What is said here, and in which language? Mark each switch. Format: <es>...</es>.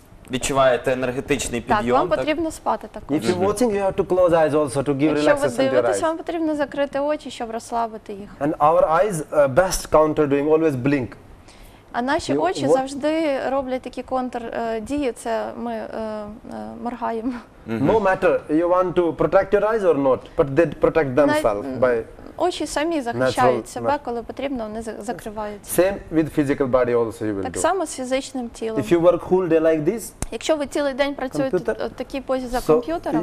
<uk>відчуваєте енергетичний підйом. Так, вам потрібно спати також.</uk> <en>If you're watching, you have to close eyes also to give relaxation to your eyes.</en> <uk>Якщо ви дивитесь, вам потрібно закрити очі, щоб розслабити їх.</uk> <en>And our eyes best counter doing always blink.</en> <uk>А наші очі завжди роблять такі контр дії, це ми моргаємо.</uk> <en>No matter you want to protect your eyes or not, but they protect themselves by</en> <uk>очі самі захищаються, бе, коли потрібно, вони закриваються.</uk> <en>Same with physical body also you will</en> <uk>так само з фізичним тілом.</uk> <en>If you work whole day like this,</en> <uk>якщо ви цілий день працюєте в такій позі за комп'ютером,</uk>